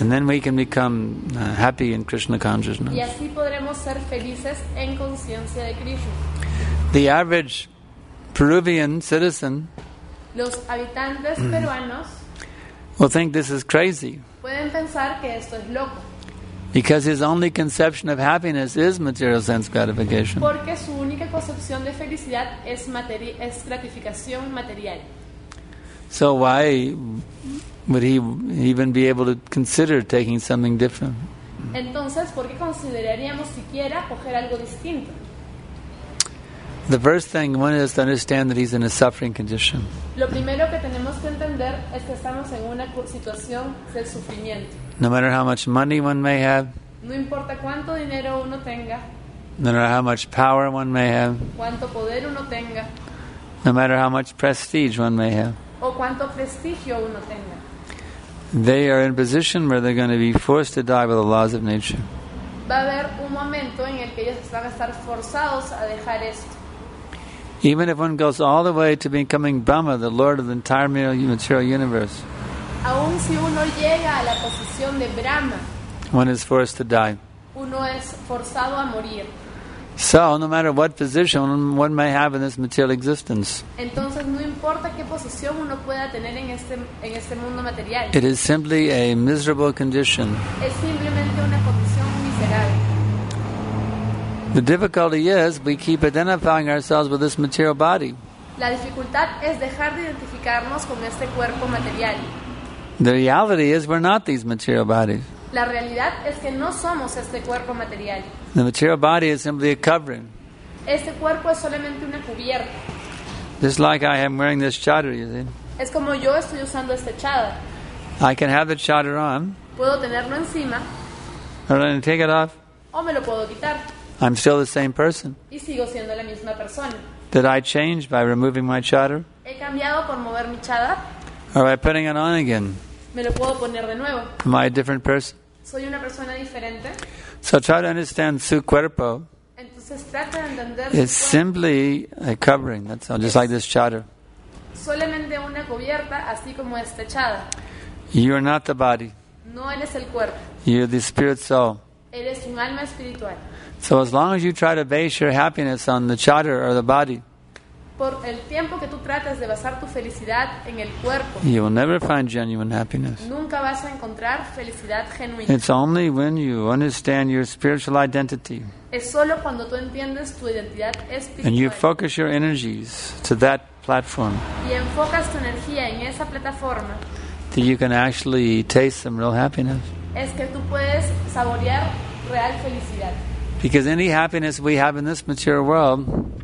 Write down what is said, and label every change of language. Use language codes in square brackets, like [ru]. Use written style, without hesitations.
[en] And then we can become happy in Krishna consciousness. [es] Y así podremos ser felices en conciencia de Krishna. [en] The average Peruvian citizen. [es] Los habitantes peruanos. [en] Will think this is crazy. [es] Pueden pensar que esto es loco. [en] Because his only conception of happiness is material sense gratification. [es] Porque su única concepción de felicidad es gratificación material. [en] So why would he even be able to consider taking something different? [es] Entonces, ¿por qué consideraríamos siquiera coger algo distinto? [en] The first thing one is to understand that he's in a suffering condition. [es] Lo primero que tenemos que entender es que estamos en una situación de sufrimiento. [en] No matter how much money one may have. [es] No importa cuánto dinero uno tenga. [en] No matter how much power one may have. [es] Cuánto poder uno tenga. [en] No matter how much prestige one may have. [es] O cuánto prestigio uno tenga. [en] They are in a position where they're going to be forced to die by the laws of nature. [es] Va a haber un momento en el que ellos van a estar forzados a dejar esto. [en] Even if one goes all the way to becoming Brahma, the Lord of the entire material universe. [es] aun si uno llega a la posición de Brahma, [en] one is forced to die. [es] Uno es forzado a morir. [en] So, no matter what position one may have in this material existence, [es] entonces, no importa qué posición uno pueda tener en este mundo material, [en] it is simply a miserable condition. [es] Es simplemente una condición miserable. [en] The difficulty is we keep identifying ourselves with this material body. [es] La dificultad es dejar de identificarnos con este cuerpo material. [en] The reality is we're not these material bodies. [es] La realidad es que no somos este cuerpo material. [en] The material body is simply a covering. [es] Este cuerpo es solamente una cubierta. [en] Just like I am wearing this chadar, you see. [es] Es como yo estoy usando este chadar. [en] I can have the chadar on. [es] Puedo tenerlo encima. [en] Or I can take it off. [es] O me lo puedo quitar. [en] I'm still the same person. [es] Y sigo siendo la misma persona. [en] Did I change by removing my chadar? [es] He cambiado por mover mi chadar. [en] Or by putting it on again? [es] Me lo puedo poner de nuevo. [en] Am I a different person? [es] Soy una persona diferente. [en] So try to understand [es] su cuerpo. Entonces trata de entender. [en] It's simply a covering. That's all. Just like this chadar. [es] Solamente una cubierta, así como este chadar. [en] You are not the body. [es] No eres el cuerpo. [en] You're the spirit soul. [es] Eres un alma espiritual. [en] So as long as you try to base your happiness on the chadar or the body, [es] por el tiempo que tú tratas de basar tu felicidad en el cuerpo, [en] you will never find genuine happiness. [es] Nunca vas a encontrar felicidad genuina. [en] It's only when you understand your spiritual identity. [es] Es solo cuando tú entiendes tu identidad espiritual. [en] And you focus your energies to that platform. [es] Y enfocas tu energía en esa plataforma. [en] That you can actually taste some real happiness. [es] Es que tú puedes saborear real felicidad. [en] Because any happiness we have in this material world,